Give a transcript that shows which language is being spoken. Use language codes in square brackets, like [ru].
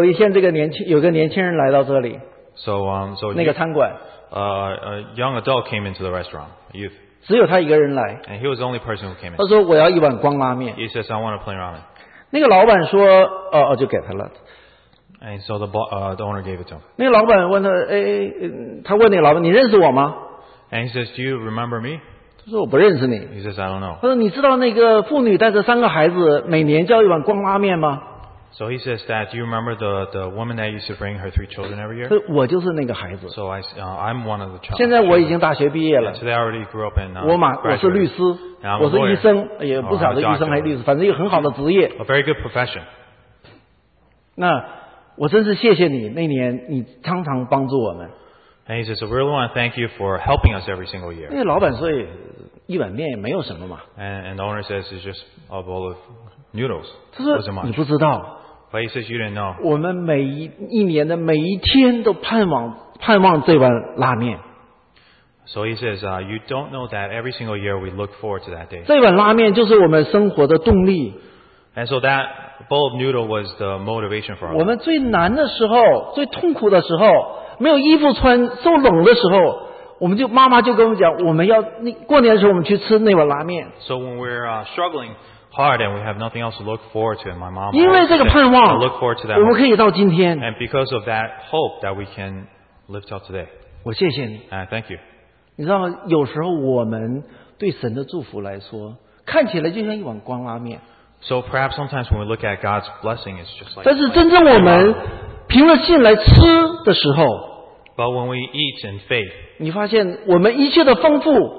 [zh] 有一天这个年轻人来到这里, [en] so [zh] 那个餐馆, [en] A young adult came into the restaurant, a youth. [zh] 只有他一个人来, [en] and he was the only person who came in. [zh] 他说我要一碗光拉面, [en] he says, I want a plain ramen. [zh] 那个老板说, 就给他了, [en] and so the owner gave it to him. [zh] 那个老板问他, 他问那个老板, 你认识我吗? [en] And he says, do you remember me? [zh] 他说我不认识你, [en] he says, I don't know. [zh] 他说你知道那个妇女带着三个孩子, 每年叫一碗光拉面吗? [en] So he says that, do you remember the woman that used to bring her three children every year? [zh] 我就是那个孩子, [en] so I'm one of the children. [zh] 现在我已经大学毕业了, [en] so they already grew up in, [zh] 我是律师, [en] and [zh] 我是医生, [en] lawyer, [zh] 也不晓得医生还是律师, 反正有很好的职业, [en] a very good profession. [zh] 那我真是谢谢你, 那年你常常帮助我们。 [en] And he says, I really want to thank you for helping us every single year. [zh] 那老板说一碗面也没有什么嘛, [en] and the owner says, it's just a bowl of noodles. [zh] 他说你不知道, [en] but he says you didn't know. [zh] 我们每一年的每一天都盼望这碗拉面。 [en] So he says, you don't know that every single year we look forward to that day. [zh] 这碗拉面就是我们生活的动力。 [en] And so that bowl of noodle was the motivation for our life. [zh] 我们最难的时候, 最痛苦的时候, 没有衣服穿, 受冷的时候, 我们就妈妈就跟我们讲, 我们要, 过年的时候我们去吃那碗拉面。 [en] So when we're struggling hard, and we have nothing else to look forward to, and my mom, [zh] 因为这个盼望, [en] look forward to that, [zh] 我们可以到今天, [en] and because of that hope that we can live till today. [zh] 我谢谢你, [en] and thank you. [zh] 你知道吗, 有时候我们对神的祝福来说, 看起来就像一碗光拉面, [en] So perhaps sometimes when we look at God's blessing, it's just like. [zh] 但是真正我们凭着信来吃的时候, [en] but when we eat in faith, [zh] 你发现我们一切的丰富,